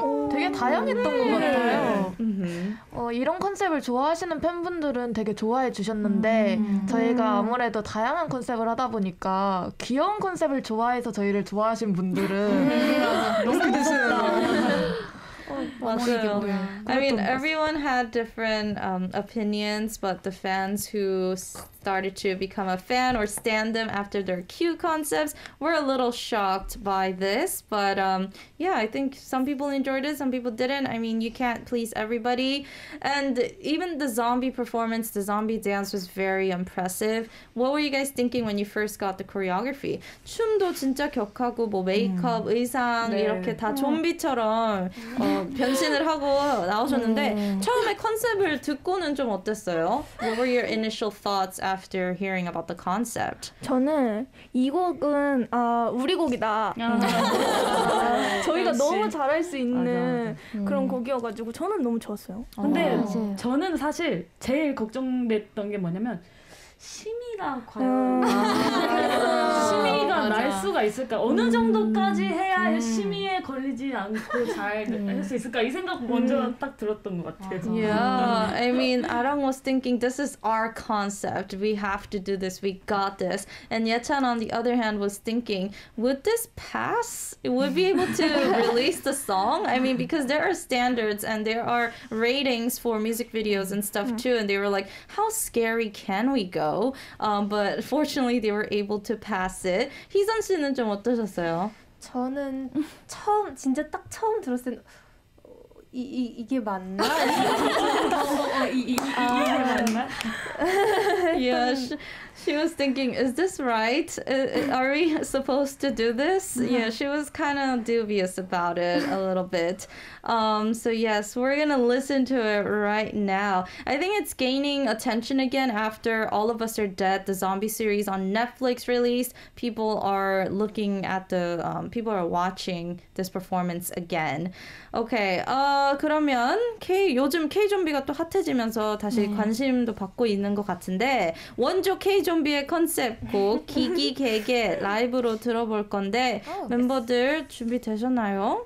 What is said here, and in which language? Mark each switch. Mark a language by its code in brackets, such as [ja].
[ko] 되게 다양했던 것 같아요. 이런 컨셉을 좋아하시는 팬분들은 되게 좋아해 주셨는데 저희가 아무래도 다양한 컨셉을 하다 보니까 귀여운 컨셉을 좋아해서 저희를 좋아하신 분들은 너무 드시네요. 맞아요. [en] I mean, everyone had different opinions, but the fans who started to become a fan or stan them after their cute concepts were a little shocked by this. But yeah, I think some people enjoyed it, some people didn't. I mean, you can't please everybody. And even the zombie performance, the zombie dance was very impressive. What were you guys thinking when you first got the choreography? [ko] 춤도 진짜 격하고 뭐 메이크업, 의상 네. 이렇게 다 좀비처럼 변신을 하고 나오셨는데 처음에 컨셉을 듣고는 좀 어땠어요? [en] What were your initial thoughts after hearing about the concept? [ko] 저는 이 곡은 우리 곡이다. 저희가 역시. 너무 잘할 수 있는 그런 곡이어가지고 저는 너무 좋았어요. 근데 저는 사실 제일 걱정됐던 게 뭐냐면 심이가 과연 열심히가 날 수가 있을까? 어느 정도까지 해야 열심히에 걸리지 않고 잘 할 수 있을까? 이 생각 먼저 딱 들었던 것 같아요. [en] Yeah, I mean, Arang was thinking this is our concept. We have to do this. We got this. And Yechan, on the other hand, was thinking, would this pass? Would we be able to release the song? I mean, because there are standards and there are ratings for music videos and stuff too. And they were like, how scary can we go? But fortunately, they were able to pass it. [ko] 희선 씨는 좀 어떠셨어요? 저는 처음 진짜 딱 처음 들었을 때 이게 맞나? 이게 맞나? [en] Yes. She was thinking, is this right? Are we supposed to do this? Yeah, she was kind of dubious about it a little bit. So yes, we're going to listen to it right now. I think it's gaining attention again after All of Us Are Dead, the zombie series on Netflix released. People are looking at the, people are watching this performance again. [ko] Okay, 그러면 K, 요즘 K-좀비가 또 핫해지면서 다시 관심도 받고 있는 것 같은데 원조 K-좀비의 컨셉 곡 기기 개개 라이브로 들어볼 건데 멤버들 준비되셨나요?